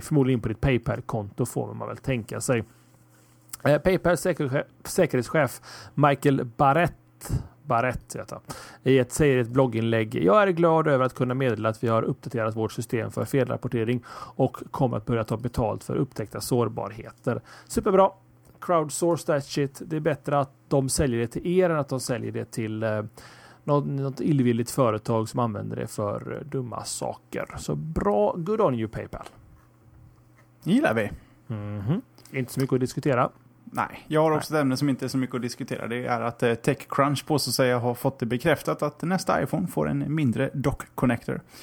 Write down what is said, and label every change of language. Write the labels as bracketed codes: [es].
[sv] Förmodligen på ditt PayPal-konto får man väl tänka sig. PayPal säkerhetschef Michael Barrett heter, i ett, säger ett blogginlägg: jag är glad över att kunna meddela att vi har uppdaterat vårt system för felrapportering och kommer att börja ta betalt för upptäckta sårbarheter. [en] Superbra, crowdsource that shit. [sv] Det är bättre att de säljer det till er än att de säljer det till något illvilligt företag som använder det för dumma saker. Så bra, [en] good on you PayPal. [sv] Gillar vi. Mm-hmm. Inte så mycket att diskutera. Nej, jag har också ett ämne som inte är så mycket att diskutera. Det är att TechCrunch på så att säga har fått det bekräftat att nästa iPhone får en mindre dock-connector.